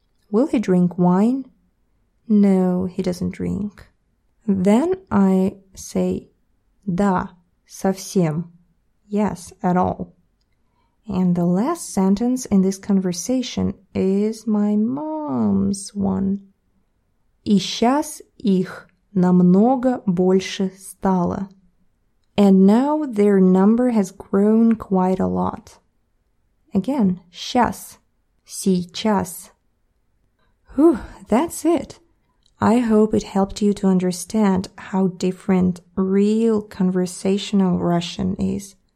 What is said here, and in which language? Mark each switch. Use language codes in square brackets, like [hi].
[en] Will he drink wine? No, he doesn't drink. Then I say, [ru] да, совсем. [en] Yes, at all. And the last sentence in this conversation is my mom's one. [ru] И сейчас их намного больше стало. [en] And now their number has grown quite a lot. Again, сейчас. Сейчас. Whew, that's it. I hope it helped you to understand how different real conversational Russian is.